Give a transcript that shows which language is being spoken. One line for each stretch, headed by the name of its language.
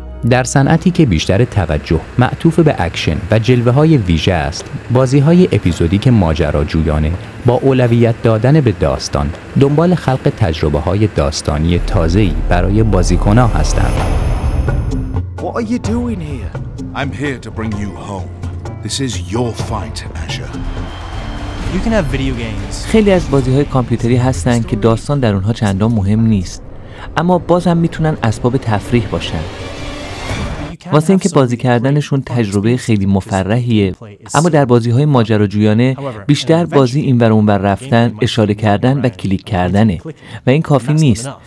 Persian: در صنعتی که بیشتر توجه معطوف به اکشن و جلوه‌های ویژه است، بازی‌های اپیزودیک ماجراجویانه با اولویت دادن به داستان دنبال خلق تجربه‌های داستانی تازه‌ای برای بازیکن‌ها هستند.
English: What are you doing here? I'm here to bring you home. This is your fight, Azure. You can have video games.
Persian: خیلی از بازی‌های کامپیوتری هستن که داستان در اونها چندان مهم نیست، اما بازم میتونن اسباب تفریح باشن. واسه اینکه بازی کردنشون تجربه خیلی مفرحیه، اما در بازی‌های ماجراجویانه بیشتر بازی اینور اونور رفتن، اشاره کردن و کلیک کردنه و این کافی نیست.